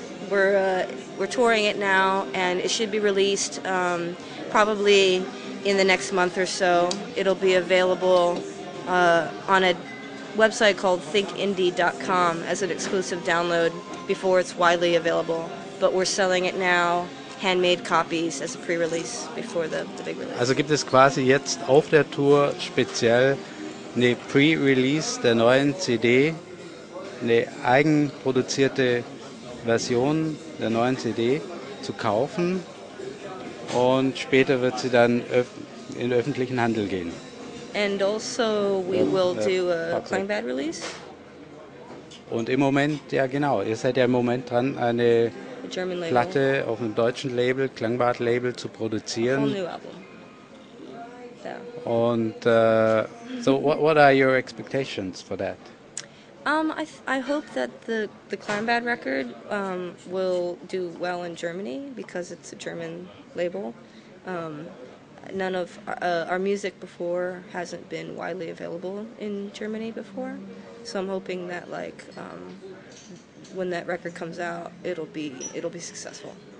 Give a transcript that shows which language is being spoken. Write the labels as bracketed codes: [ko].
[en] We're touring it now, and it should be released probably in the next month or so. It'll be available on a website called thinkindie.com as an exclusive download before it's widely available. But we're selling it now, handmade copies, as a pre-release before the big release. [de] Also gibt es quasi jetzt auf der Tour speziell eine Pre-Release der neuen CD, eine eigenproduzierte Version der neuen CD zu kaufen, und später wird sie dann in den öffentlichen Handel gehen. [en] And also we will do a clang bad release. [de] Und im Moment, ja genau, ihr seid ja im Moment dran, eine Platte auf einem deutschen Label, Klangbad Label, zu produzieren. [en] A whole new album. So. Und so what are your expectations for that? I hope that the Klangbad record will do well in Germany because it's a German label. None of our music before hasn't been widely available in Germany before, so I'm hoping that when that record comes out, it'll be successful.